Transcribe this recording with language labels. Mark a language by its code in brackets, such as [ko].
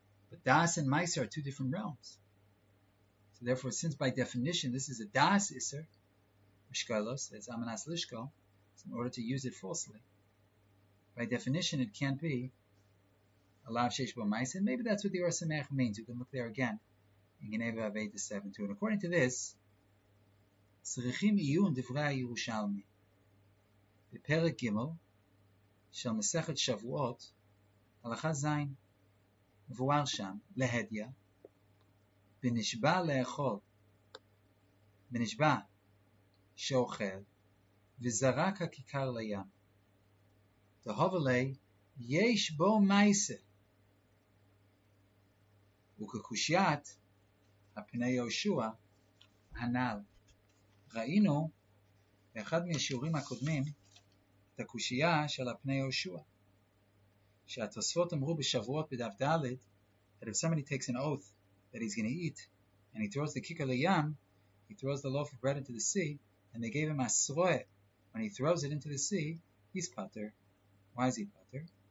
[en] But Das and Maisa are two different realms. So therefore, since by definition this is a Das Isser, Mishkalos, it's Amanas Lishko, it's in order to use it falsely, by definition it can't be a Lav Sheyesh Bo Maisa. And maybe that's what the Or Sameach means. You can look there again in Geneva of 8 to 7 too. And according to this, [he] צריכים עיון דברי הירושלמי בפרק ג' של מסכת שבועות הלכה ז' מבואר שם להדיה בנשבע לאכול בנשבע שאוכל וזרק הכיכר לים תהובלי יש בו מייסה וכקושיית הפני יהושע הנעל. Ra'inu, באחד מהשיעורים הקודמים, את הקושייה של הפני יהושע. שהתוספות אמרו בשבועות בדף ד' [en] that if somebody takes an oath that he's going to eat and he throws the kikar liyam, he throws the loaf of bread into the sea, and they gave him asroe. When he throws it into the sea, he's pater. Why is he pater?